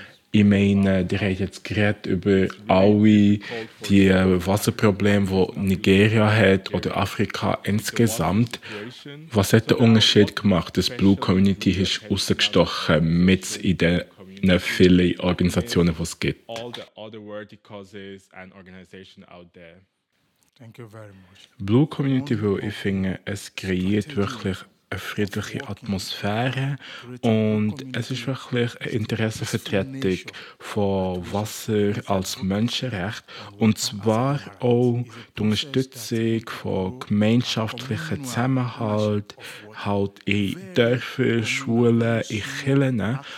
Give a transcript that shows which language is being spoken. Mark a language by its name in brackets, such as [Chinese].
[German] Ich meine, die haben jetzt geredet über alle die Wasserprobleme, die Nigeria hat oder Afrika insgesamt. Was hat der Unterschied gemacht, dass die Blue Community ist rausgestochen mit in den vielen Organisationen, die es gibt? [English] All the other worthy causes and organizations out there. Thank you very much. [German] Blue Community, weil ich finde, es kreiert wirklich eine friedliche Atmosphäre und es ist wirklich eine Interessenvertretung von Wasser als Menschenrecht und zwar auch die Unterstützung von gemeinschaftlichen Zusammenhalt halt in Dörfern, Schulen, in Kirchen.